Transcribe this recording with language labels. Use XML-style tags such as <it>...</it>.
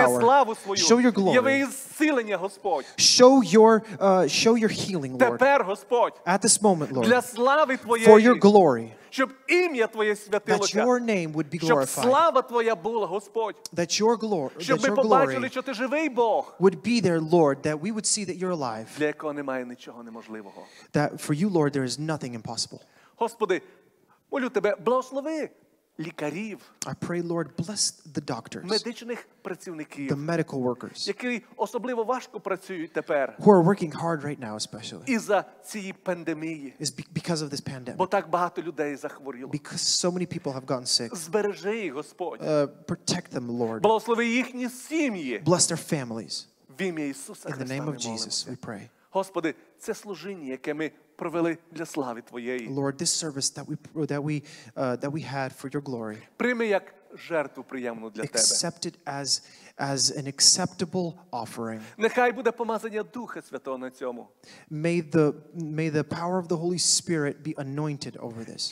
<en>power,</en> <uk>славу свою,</uk> <en>show your glory,</en> <uk>яви зцілення, Господь.</uk> <en>Show your healing, Lord.</en> <uk>Тепер, Господь,</uk> <en>at this moment, Lord,</en> <uk>для слави Твоєї,</uk> <en>for your glory,</en> <uk>щоб ім'я Твоє святилося.</uk> <en>That your name would be glorified.</en> <uk>Щоб слава Твоя була, Господь.</uk> <en>That your glory,</en> <uk>щоб</uk> <en>that</en> <uk>ми</uk> <en>your</en> <uk>побачили,</uk> <en>glory</en> <uk>що Ти живий Бог.</uk> <en>Would be there, Lord, that we would see that you're alive.</en> <uk>Для якого немає нічого неможливого.</uk> <en>That for you, Lord, there is nothing impossible.</en> <uk>Господи, молю Тебе, благослови лікарів.</uk> <en>I pray, Lord, bless the doctors.</en> <uk>Медичних працівників.</uk> <en>The medical workers.</en> <uk>Які особливо важко працюють тепер.</uk> <en>Who are working hard right now, especially.</en> <uk>Із-за цієї пандемії.</uk> <en>Is because of this pandemic.</en> <uk>Бо так багато людей захворіло.</uk> <en>Because so many people have gotten sick.</en> <uk>Збережи їх, Господь.</uk> <en>Protect them, Lord.</en> <uk>Благослови їхні сім'ї.</uk> <en>Bless their families.</en> <uk>В ім'я Ісуса Христа.</uk> <en>In the name of Jesus, we pray.</en> <uk>Господи, це служіння, яке ми провели для слави Твоєї.</uk> <en>Lord, this service that we had for your glory.</en> <uk>Прийми як жертву приємну для Тебе.</uk> <en>Accept it as an acceptable offering.</en> <uk>Нехай буде помазання Духа Святого на цьому.</uk> <en>May the power of the Holy Spirit be anointed over this.</en>